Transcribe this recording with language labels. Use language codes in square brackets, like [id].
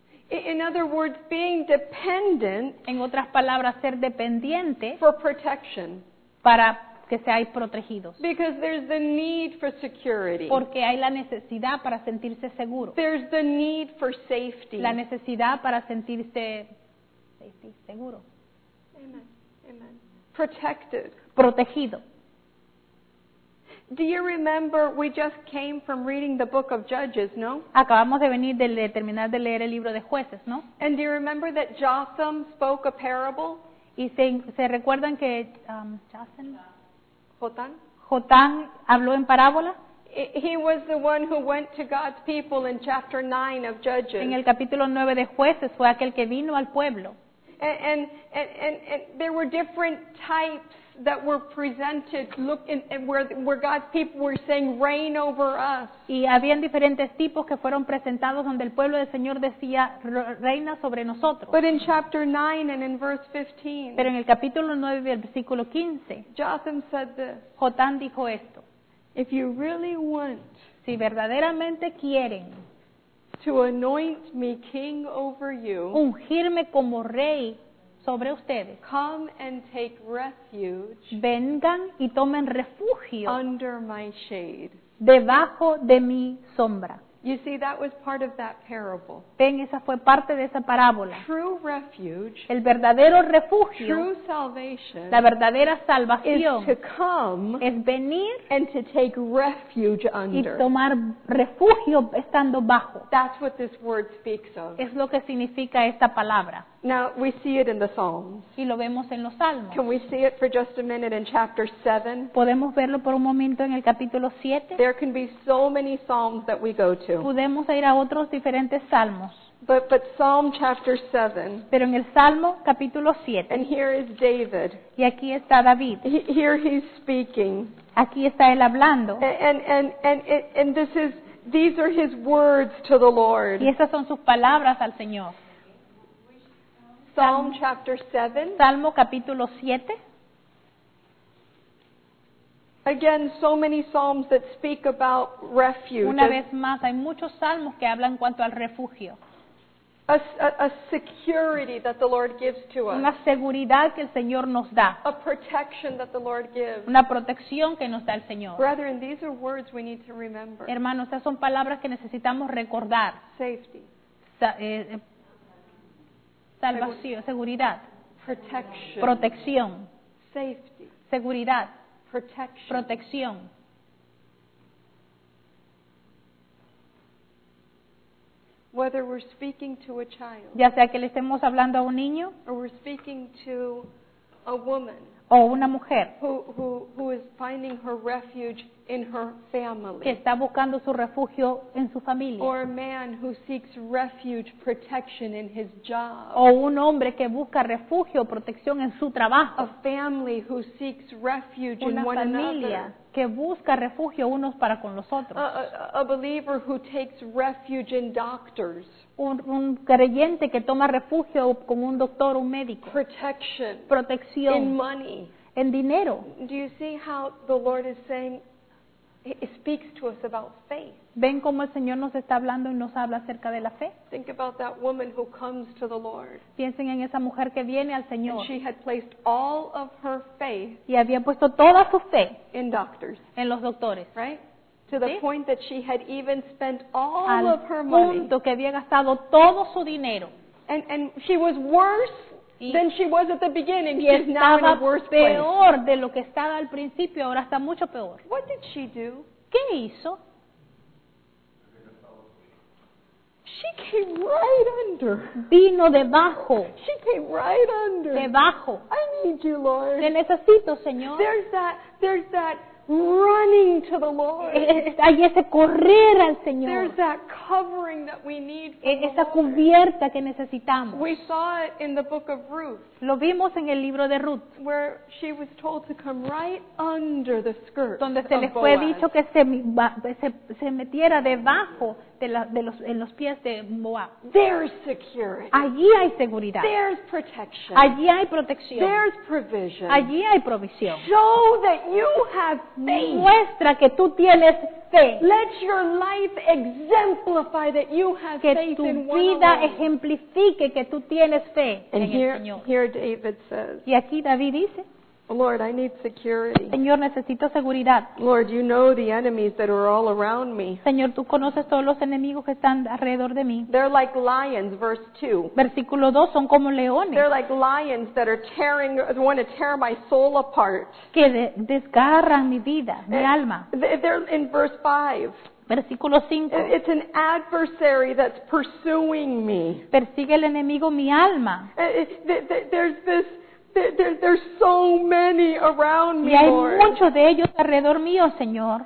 [en] In other words, being dependent. [es] En otras palabras, ser dependiente. [en] For protection. [es] Para que seáis protegidos. [en] Because there's the need for security. [es] Porque hay la necesidad para sentirse seguro. [en] There's the need for safety. [es] La necesidad para sentirse seguro. [en] Amen. Amen. Protected. [es] Protegido. [en] Do you remember we just came from reading the book of Judges, no? [es] Acabamos de venir de terminar de leer el libro de jueces, ¿no? [en] And do you remember that Jotham spoke a parable? [es] ¿Y se recuerdan que Jotham? [en] Jotán. [es] Jotán habló en parábola. [en] He was the one who went to God's people in chapter 9 of Judges. [es] En el capítulo 9 de jueces fue aquel que vino al pueblo. [en] And there were different types that were presented, look in where God's people were saying, reign over us. [es] Y habían diferentes tipos que fueron presentados donde el pueblo del Señor decía, reina sobre nosotros. [en] But in chapter 9 and in verse 15, [es] pero en el capítulo 9 y el versículo 15, [en] Jotham said this. [es] Jotán dijo esto. [en] If you really want, [es] si verdaderamente quieren, [en] to anoint me king over you, [es] ungirme como rey sobre ustedes. [en] Come and take refuge. [es] Vengan y tomen refugio. [en] Under my shade. [es] Debajo de mi sombra. [en] You see, that was part of that parable. [es] Ven, esa fue parte de esa parábola. [en] True refuge. [es] El verdadero refugio. [en] True salvation. [es] La verdadera salvación. [en] Is to come. [es] Es venir. [en] And to take refuge under. [es] Y tomar refugio estando bajo. [en] That's what this word speaks of. [es] Es lo que significa esta palabra. [en] Now we see it in the Psalms. [es] Y lo vemos en los Salmos. [en] Can we see it for just a minute in chapter 7? [es] Podemos verlo por un momento en el capítulo 7. [en] There can be so many Psalms that we go to. [es] Podemos ir a otros diferentes Salmos. [en] But Psalm chapter 7. [es] Pero en el Salmo capítulo 7. [en] And here is David. [es] Y aquí está David. [en] Here he's speaking. [es] Aquí está él hablando. [en] And these are his words to the Lord. [es] Y esas son sus palabras al Señor. [en] Psalm chapter 7. [es] Salmo capítulo 7. [en] Again, so many psalms that speak about refuge. [es] Una vez más, hay muchos salmos que hablan cuanto al refugio. [en] A security that the Lord gives to us. [es] Una seguridad que el Señor nos da. [en] A protection that the Lord gives. [es] Una protección que nos da el Señor. [en] Brethren, these are words we need to remember. [es] Hermanos, estas son palabras que necesitamos recordar. [en] Safety. [es] Salvación, seguridad. [en] Protection. [es] Protección. [en] Safety. [es] Seguridad. [en] Protection. [es] Protección. [en] Whether we're speaking to a child, [es] ya sea que le estemos hablando a un niño, [en] or we're speaking to a woman, [es] o una mujer, [en] who is finding her refuge in her family, [es] que está buscando su refugio en su familia, [en] or a man who seeks refuge, protection in his job, [es] o un hombre que busca refugio, protección en su trabajo, [en] a family who seeks refuge in one [es] familia [en] another, [es] que busca refugio unos para con los otros, [en] a believer who takes refuge in doctors, [es] un creyente que toma refugio con un doctor o un médico, [en] protection, [es] protección, [en] in money, [es] en dinero. [en] Do you see how the Lord is saying? It speaks to us about faith. [es] ¿Ven cómo el Señor nos está hablando y nos habla acerca de la fe? [en] Think about that woman who comes to the Lord. [es] Piensen en esa mujer que viene al Señor. [en] And she had placed all of her faith. [es] Y había puesto toda su fe. [en] In doctors. [es] En los doctores. [en] Right? To the [es] ¿sí? [en] point that she had even spent all [es] al [en] of her money. [es] Al punto que había gastado todo su dinero. [en] And she was worse. Then she was at the beginning. [es] Y estaba [en] worse [es] peor [en] place. [es] De lo que estaba al principio, ahora está mucho peor. [en] What did she do? [es] ¿Qué hizo? [en] She came right under. [es] Vino debajo. [en] She came right under. [es] Debajo. [en] I need you, Lord. [es] Te necesito, Señor. [en] There's that running to the Lord. [es] Hay ese correr al Señor. [en] There's that covering that we need from the Lord. [es] Cubierta que necesitamos. [en] We saw it in the book of Ruth. [es] Lo vimos en el libro de Ruth. [en] Where she was told to come right under the skirt. [es] Donde se le fue dicho que se metiera debajo en los pies de Moab. [en] There's security. [es] Allí hay seguridad. [en] There's protection. [es] Allí hay protección. [en] There's provision. [es] Allí hay provisión. [en] Show that you have faith. [es] Muestra que tú tienes fe. [en] Let your life exemplify that you have [es] que [en] faith [es] tu [en] in [es] vida [en] one [es] ejemplifique que tú tienes fe [en] and [es] en [en] here, [es] el Señor. [en] Here David says, [es] y aquí David dice, [en] Lord, I need security. [es] Señor, necesito seguridad. [en] Lord, you know the enemies that are all around me. [es] Señor, tú conoces todos los enemigos que están alrededor de mí. [en] They're like lions, verse 2. [es] Versículo 2, son como leones. [en] They're like lions that are tearing, want to tear my soul apart. [es] Que desgarran mi vida, mi alma. [en] They're in verse 5. [es] Versículo 5. [en] It's an adversary that's pursuing me. [es] Persigue el enemigo mi alma. [en] There's this. There's so many around me, [es] y hay [en] Lord. [es] Muchos de ellos alrededor mío, Señor.